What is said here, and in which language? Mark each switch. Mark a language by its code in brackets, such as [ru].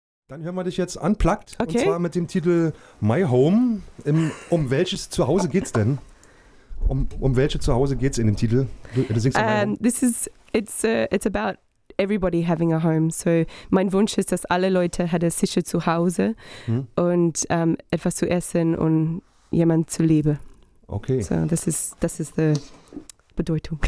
[de] Dann hören wir dich jetzt unplugged. Okay. Und zwar mit dem Titel My Home. Um welches Zuhause geht's denn? Um welche Zuhause geht's in dem Titel? Du singst [en] it's about everybody having a home. [de] So mein Wunsch ist, dass alle Leute hat ein sicheres Zuhause und etwas zu essen und jemand zu lieben. Okay. So das ist die Bedeutung.